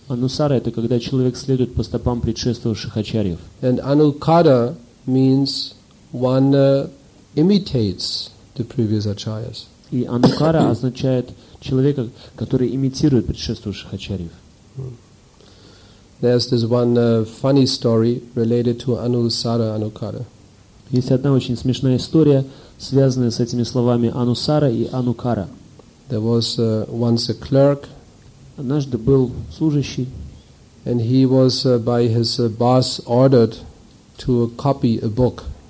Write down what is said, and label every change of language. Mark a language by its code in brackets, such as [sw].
[ru] Anusara — это когда человек следует по стопам предшествовавших ачарьев. [en] And anukara means one imitates the previous acharyas. [ru] И anukara означает человека, который имитирует предшествовавших ачарьев. [en] There's this one funny story related to anusara, anukara. [ru] Есть одна очень смешная история, связанные с этими словами анусара и анукара. [en] There was once a clerk. [ru] Однажды был служащий. [en] And he was by his boss ordered to copy a book.